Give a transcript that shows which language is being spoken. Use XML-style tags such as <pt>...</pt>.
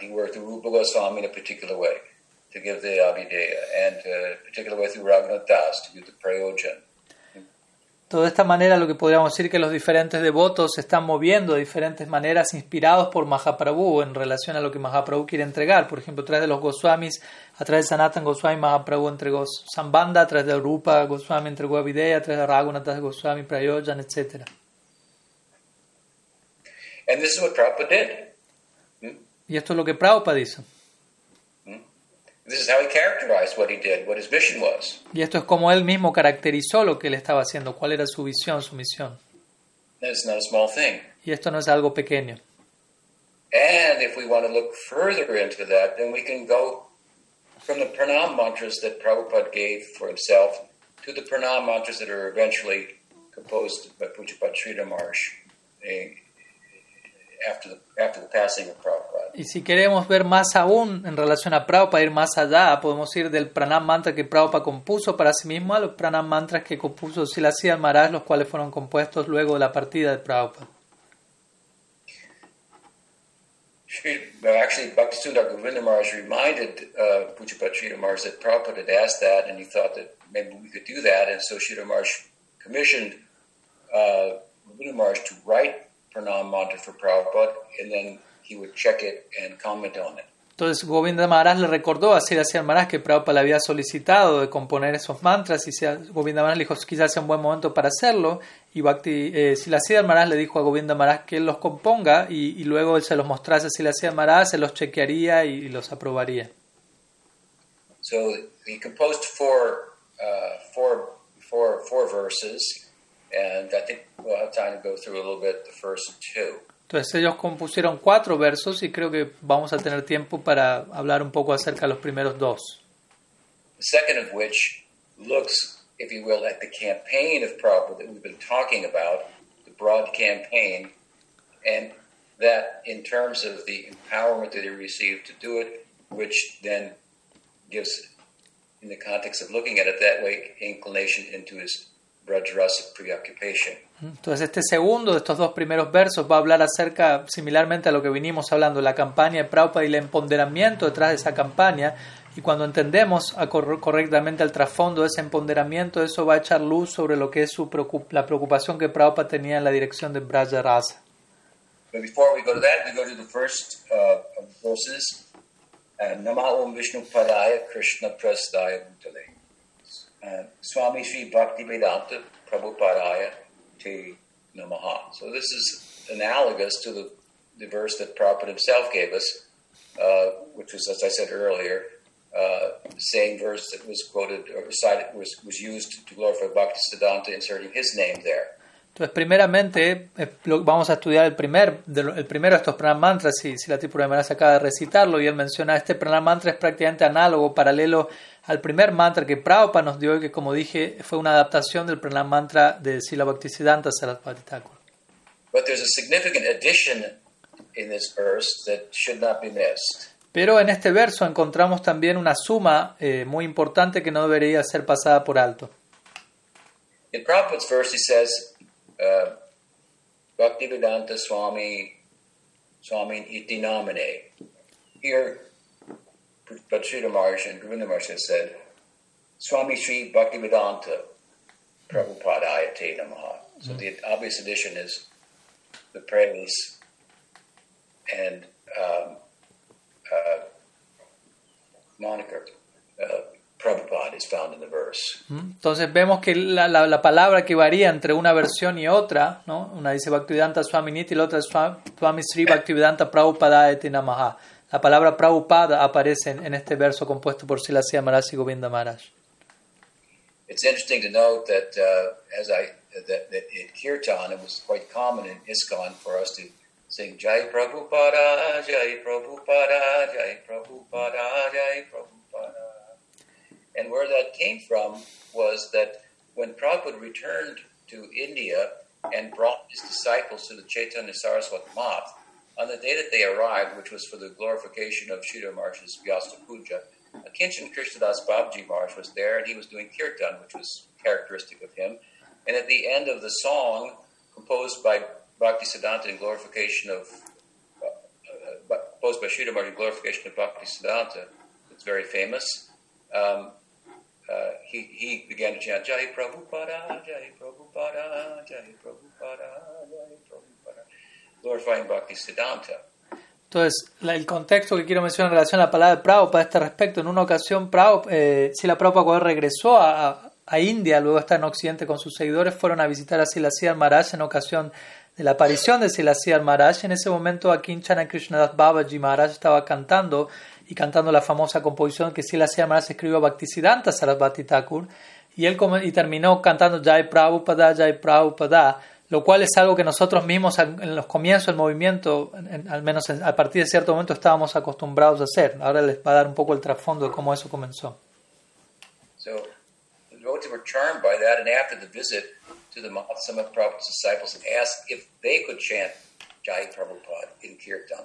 <en>He worked through Rupa Goswami in a particular way to give the Abhideya, and a particular way through Raghunath Das to give the Prayojan.</en> <es>De esta manera, lo que podríamos decir que los diferentes devotos se están moviendo de diferentes maneras, inspirados por Mahaprabhu en relación a lo que Mahaprabhu quiere entregar. Por ejemplo, a través de los Goswamis, a través de Sanatan Goswami, Mahaprabhu entregó Sambandha, a través de Rupa Goswami entregó Abhideya, a través de Raghunatha Goswami, Prayojan, etc.</es> <en>And this is what Prabhupada did.</en> <es>Y esto es lo que Prabhupada hizo.</es> <en>This is how he characterized what he did, what his mission was.</en> <es>Y esto es como él mismo caracterizó lo que él estaba haciendo, cuál era su visión, su misión.</es> <en>That's not a small thing.</en> <es>Y esto no es algo pequeño.</es> <en>And if we want to look further into that, then we can go from the Pranama-mantras that Prabhupada gave for himself to the Pranama-mantras that are eventually composed by Pujapad Sridharmarsh after the passing of Prabhupada.</en> <es>Y si queremos ver más aún en relación a Prabhupada, ir más allá, podemos ir del Pranam Mantra que Prabhupada compuso para sí mismo a los Pranam Mantras que compuso Srila Siddhar Maharaj, los cuales fueron compuestos luego de la partida de Prabhupada.</es> <en>Actually, Bhaktisundar Govinda Maharaj reminded Pujapad Sridhar Maharaj that Prabhupada had asked that, and he thought that maybe we could do that, and so Sridhar Maharaj commissioned Govinda Maharaj to write Pranam Mantra for Prabhupada, and then he would check it and comment on it.</en> <es>Entonces Govinda Maharaj le recordó a Srila Siddhar Maharaj que Prabhupada le había solicitado de componer esos mantras, y Govinda Maharaj le dijo que quizás sea un buen momento para hacerlo, y Srila Siddhar Maharaj le dijo a Govinda Maharaj que él los componga y luego él se los mostrase a Srila Siddhar Maharaj, se los chequearía y los aprobaría.</es> <en>So he composed four verses, and I think we'll have time to go through a little bit the first two.</en> <es>Entonces ellos compusieron cuatro versos y creo que vamos a tener tiempo para hablar un poco acerca de los primeros dos.</es> <en>The second of which looks, if you will, at the campaign of Prabhupada that we've been talking about, the broad campaign, and that in terms of the empowerment that he received to do it, which then gives, in the context of looking at it that way, inclination into his Rajarasic preoccupation.</en> <es>Entonces este segundo de estos dos primeros versos va a hablar acerca, similarmente a lo que vinimos hablando, la campaña de Prabhupada y el empoderamiento detrás de esa campaña. Y cuando entendemos correctamente el trasfondo de ese empoderamiento, eso va a echar luz sobre lo que es la preocupación que Prabhupada tenía en la dirección de Braja Rasa.</es> <en>But before we go to that, we go to the first of the verses.</en> <sa>Nama Om Vishnu Padaya Krishna Prasthaya Bhutale. Swami Sri Bhakti Vedanta Prabhupadaya.</sa> <en>So this is analogous to the verse that Prabhupada himself gave us, which was, as I said earlier, same verse that was quoted or recited, was used to glorify Bhaktisiddhanta, inserting his name there.</en> <es>Entonces, primeramente, vamos a estudiar el primero de estos Pranam Mantras, si la Tripura Maharaj acaba de recitarlo, y él menciona, este Pranam Mantra es prácticamente análogo, paralelo al primer mantra que Prabhupada nos dio, y que, como dije, fue una adaptación del Pranam Mantra de Srila Bhaktisiddhanta Sarasvati Thakur.</es> <en>But there's a significant addition in this verse that should not be missed.</en> <es>Pero en este verso encontramos también una suma muy importante que no debería ser pasada por alto.</es> <en>In Prabhupada's verse he says,</en> <sa>Bhaktivedanta Swami, Swami iti nomine.</sa> <en>Here, Prabhupada Sridhar Maharaj and Govinda Maharaj have said,</en> <sa>Swami Sri Bhaktivedanta Prabhupada Ayate Namaha.</sa> <en>So the obvious addition is the praise and moniker, Prabhupada, is found in the verse.</en> <es>Entonces vemos que la palabra que varía entre una versión y otra, ¿no? Una dice</es> <sa>Bhaktivedanta Swami Niti</sa> <es>y la otra es</es> <sa>Swami Sri Bhaktivedanta Prabhupada Eti Namaha.</sa> <es>La palabra Prabhupada aparece en este verso compuesto por Srila Sri Maharaj y Govinda Maharaj.</es> <en>It's interesting to note that that in Kirtan it was quite common in ISKCON for us to sing Jai Prabhupada, Jai Prabhupada, Jai Prabhupada, Jai Prabhupada. And where that came from was that when Prabhupada returned to India and brought his disciples to the Chaitanya Saraswat Math, on the day that they arrived, which was for the glorification of Sridhar Maharaj's Vyasa Puja, Akinchan Krishnadas Babaji Maharaj was there, and he was doing kirtan, which was characteristic of him. And at the end of the song, composed by Bhaktisiddhanta in glorification of, composed by Sridhar Maharaj in glorification of Bhaktisiddhanta, it's very famous, he began to chant, Jai Prabhupada, Jai Prabhupada, Jai Prabhupada, Jai Prabhupada, glorifying Bhaktisiddhanta.</en> <es>Entonces, el contexto que quiero mencionar en relación a la palabra de Prabhupada a este respecto, en una ocasión, Srila Prabhupada regresó a India, luego está en Occidente con sus seguidores, fueron a visitar a Srila Sridhar Maharaj en ocasión de la aparición de Srila Sridhar Maharaj. En ese momento, Akinchan Krishnadas Babaji Maharaj estaba cantando y cantando la famosa composición que Srila Sridhar Maharaj escribió a Bhaktisiddhanta Sarasvati Thakur, y terminó cantando Jai Prabhupada, Jai Prabhupada, lo cual es algo que nosotros mismos en los comienzos del movimiento, al menos a partir de cierto momento, estábamos acostumbrados a hacer. Ahora les va a dar un poco el trasfondo de cómo eso comenzó.</es> <en>So, the devotees were charmed by that, and after the visit to the Mahatma Prabhupada's disciples and asked if they could chant Jai Prabhupada in Kirtan.</en>